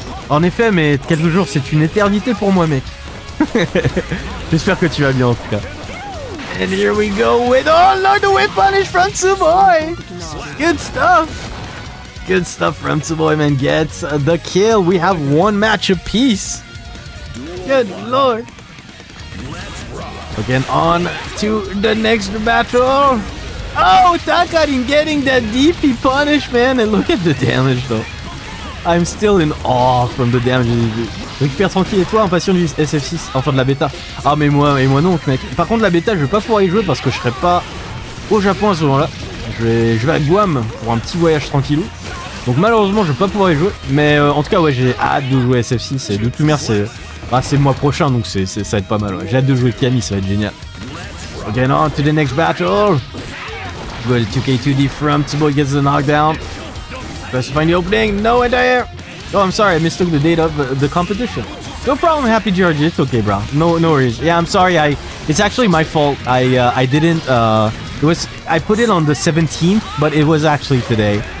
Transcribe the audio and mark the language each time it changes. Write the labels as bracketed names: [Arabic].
[French] En effet, mais quelques jours, c'est une éternité pour moi, mec. J'espère que tu vas bien, en tout cas. [English] And here we go with, oh Lord, the whip punish from Tsuboi! Good stuff! Good stuff from Tsuboi, man, gets the kill. We have one match apiece. Good Lord. Again, on to the next battle. Oh, Takarin getting that DP punish, man. And look at the damage, though. I'm still in awe from the damage. [French] Récupère tranquille et toi, impatient du SF6, enfin de la bêta. Ah mais moi et moi non, mec. Par contre la bêta, je vais pas pouvoir y jouer parce que je serai pas au Japon à ce moment-là. Je vais à Guam pour un petit voyage tranquillou. Donc malheureusement, je vais pas pouvoir y jouer. Mais en tout cas, ouais, j'ai hâte de jouer SF6. Et de toute manière, c'est le mois prochain, donc ça va être pas mal. Ouais. J'ai hâte de jouer Kami, ça va être génial. [English] Ok, on to the next battle. Good 2K2D from Tsuboi gets the knockdown. Best to find the opening. No entire. Oh, I'm sorry. I mistook the date of the competition. No problem, Happy George. It's okay, bro. No worries. Yeah, I'm sorry. It's actually my fault. I put it on the 17th, but it was actually today.